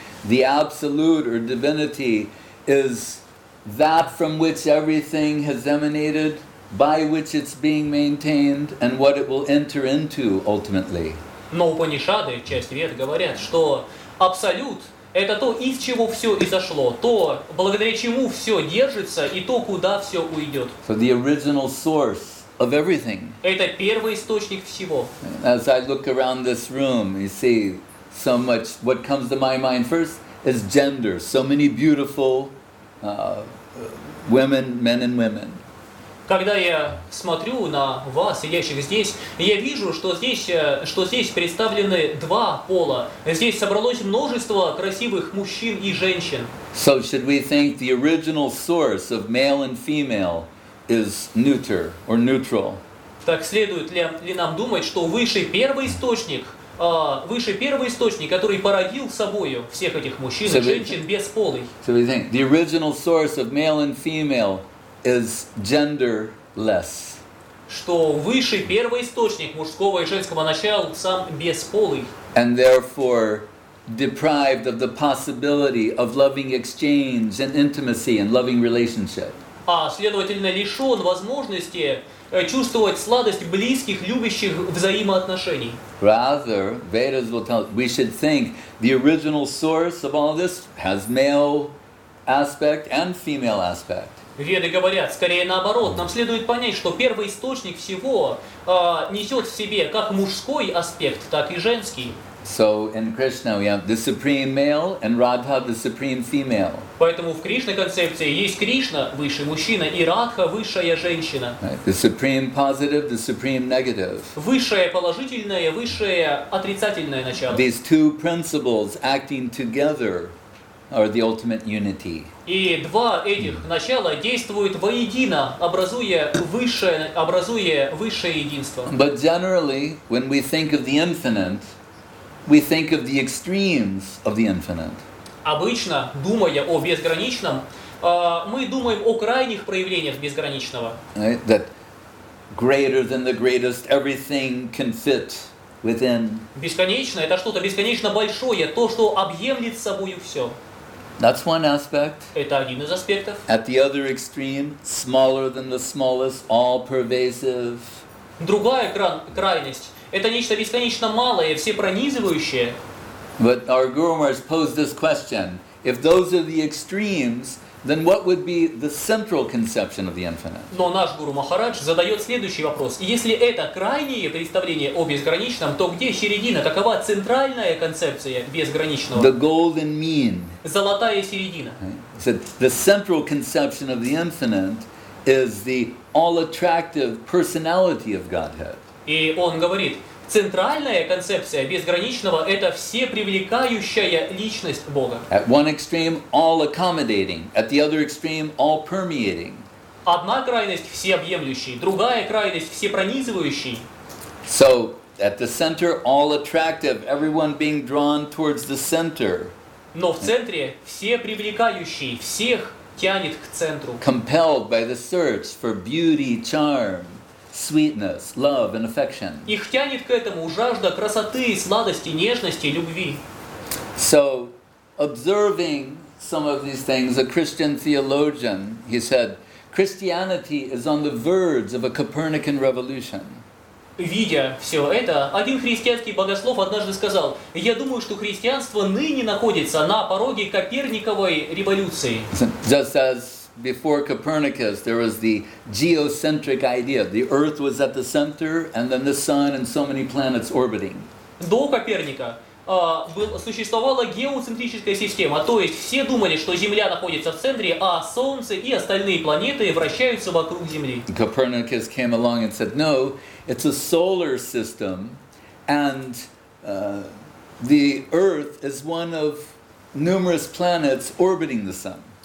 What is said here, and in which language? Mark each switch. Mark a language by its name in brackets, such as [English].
[English] The absolute or divinity is that from which everything has emanated, by which it's being maintained, and what it will enter into ultimately. [Russian] Но Упанишады, часть Вед, говорят, что абсолют — это то, из чего все изошло, то, благодаря чему все держится, и то, куда все уйдет. [English] So the original source of everything. [Russian] Это первый источник всего. [English] As I look around this room, you see, so much, what comes to my mind first is gender. So many beautiful women, men and women. [Russian] Когда я смотрю на вас, сидящих здесь, я вижу, что здесь представлены два пола. Здесь собралось множество красивых мужчин и женщин. [English] So should we think the original source of male and female is neuter or neutral? [Russian] Так следует ли нам думать, что высший первый источник выше первый источник, который породил собою всех этих мужчин и женщин бесполый. [English] So we think the original source of male and female is genderless. [Russian] Что выше первый источник мужского и женского начала сам бесполый. [English] And therefore deprived of the possibility of loving exchange and intimacy and loving relationship. [Russian] А следовательно лишен возможности чувствовать сладость близких, любящих взаимоотношений. [English] Rather, Vedas will tell us, we should think the original source of all this has male aspect and female aspect. [Russian] Веды говорят, скорее наоборот, нам следует понять, что первый источник всего несет в себе как мужской аспект, так и женский. [English] So in Krishna we have the supreme male and Radha the supreme female. [Russian] Поэтому в Кришна концепции есть Кришна высший мужчина и Радха высшая женщина. [English] Right. The supreme positive, the supreme negative. [Russian] Высшее положительное, высшее отрицательное начало. [English] These two principles acting together are the ultimate unity. [Russian] И два этих начала действуют воедино, образуя высшее единство. [English] But generally, when we think of the infinite, we think of the extremes of the infinite. [Russian] Обычно, думая о безграничном, мы думаем о крайних проявлениях безграничного. [English] Right? That greater than the greatest, everything can fit within. [Russian] Бесконечное — это что-то бесконечно большое, то, что объемлет собою все. [English] That's one aspect. [Russian] Это один из аспектов. [English] At the other extreme, smaller than the smallest, all pervasive. [Russian] Другая крайность — это нечто бесконечно малое, всепронизывающее. [English] But our Guru Maharaj posed this question. If those are the extremes, then what would be the central conception of the infinite? [Russian] Но наш Гуру Махарадж задает следующий вопрос. Если это крайнее представление о безграничном, то где середина? Какова центральная концепция безграничного? [English] The golden mean. [Russian] Золотая середина. [English] Right? So the central conception of the infinite is the all-attractive personality of Godhead. [Russian] И он говорит, центральная концепция безграничного — это всепривлекающая личность Бога. [English] At one extreme, all accommodating. At the other extreme, all permeating. [Russian] Одна крайность — всеобъемлющий, другая крайность — всепронизывающий. [English] So, at the center, all attractive, everyone being drawn towards the center. [Russian] Но в центре — всепривлекающий, всех тянет к центру. [English] Compelled by the search for beauty, charm, sweetness, love and affection. [Russian] Их тянет к этому жажда красоты, сладости, нежности, любви. [English] So, observing some of these things, a Christian theologian, he said, Christianity is on the verge of a Copernican revolution. [Russian] Видя все это, один христианский богослов однажды сказал, я думаю, что христианство ныне находится на пороге Коперниковой революции. [English] Just as before Copernicus, there was the geocentric idea. The Earth was at the center, and then the Sun and so many planets orbiting. [Russian] До Коперника существовала геоцентрическая система, то есть все думали, что Земля находится в центре, а Солнце и остальные планеты вращаются вокруг Земли. [English] Copernicus came along and said, no, it's a solar system, and the Earth is one of numerous planets orbiting the Sun.